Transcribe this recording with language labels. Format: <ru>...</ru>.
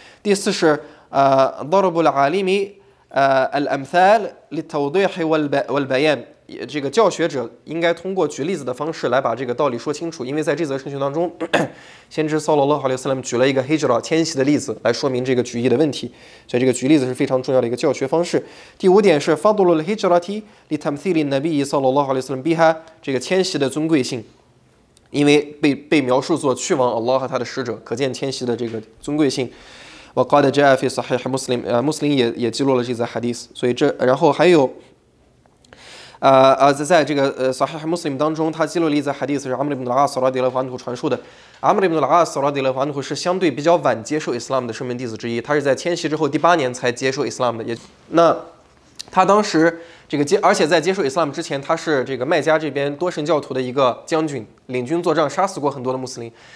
<zh>第四是</zh> <ar>ضرب العالم الأمثال للتوضيح والبيان，</ar> <zh>这个教学者应该通过举例子的方式来把这个道理说清楚，因为在这则圣训当中先知صلى الله عليه وسلم 举了一个 هجرة 迁徙的例子来说明这个举意的问题，所以这个举例子是非常重要的一个教学方式。第五点是</zh> <ar>فضل الهجرة لتمثيل النبي صلى الله عليه وسلم بها，</ar> <zh>这个迁徙的尊贵性，因为 被描述作去往 Allah 和他的使者，可见迁徙的这个尊贵性。</zh> <ar>وقد جاء في صحيح مسلم مسلم</ar> <zh>也记录了这则 حديث， 所以这然后还有在这个صحيح مسلم 当中他记录了一则 حديث 是 عمرو بن العاص رضي الله عنه 传述的。 عمرو بن العاص رضي الله عنه 是相对比较晚接受 Islam 的圣门弟子之一，他是在迁徙之后第八年才接受 Islam 的，也那他当时这个而且在接受 Islam 之前，他是这个麦加这边多神教徒的一个将军，领军作战杀死过很多的穆斯林，</zh>